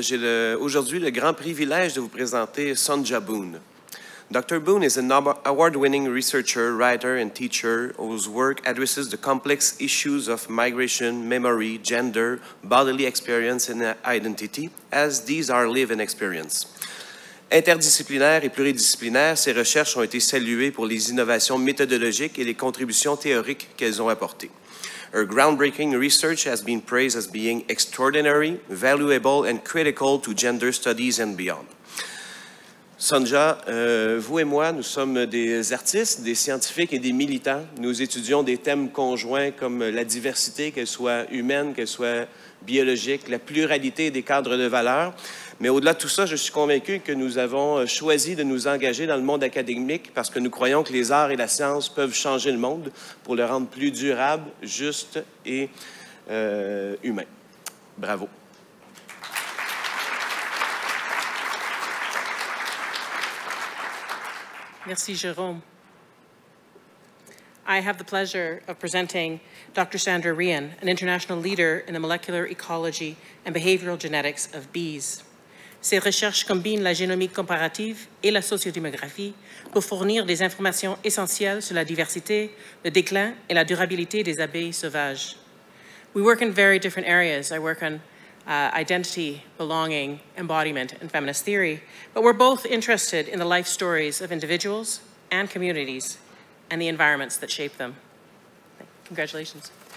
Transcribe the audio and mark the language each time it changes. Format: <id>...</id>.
<fr>J'ai aujourd'hui le grand privilège de vous présenter Sonja Boone.</fr> <en>Dr. Boone is an award-winning researcher, writer, and teacher whose work addresses the complex issues of migration, memory, gender, bodily experience, and identity, as these are lived and experienced.</en> <fr>Interdisciplinaire et pluridisciplinaire, ses recherches ont été saluées pour les innovations méthodologiques et les contributions théoriques qu'elles ont apportées.</fr> <en>Her groundbreaking research has been praised as being extraordinary, valuable, and critical to gender studies and beyond.</en> <fr>Sonja, vous et moi, nous sommes des artistes, des scientifiques et des militants. Nous étudions des thèmes conjoints comme la diversité, qu'elle soit humaine, qu'elle soit biologique, la pluralité des cadres de valeurs. Mais au-delà de tout ça, je suis convaincu que nous avons choisi de nous engager dans le monde académique parce que nous croyons que les arts et la science peuvent changer le monde pour le rendre plus durable, juste et humain. Bravo. Merci, Jérôme.</fr> <en>I have the pleasure of presenting Dr. Sandra Rian, an international leader in the molecular ecology and behavioral genetics of bees.</en> <fr>Ses recherches combinent la génomique comparative et la sociodémographie pour fournir des informations essentielles sur la diversité, le déclin et la durabilité des abeilles sauvages.</fr> <en>We work in very different areas. I work on identity, belonging, embodiment, and feminist theory, but we're both interested in the life stories of individuals and communities and the environments that shape them. Congratulations.</en>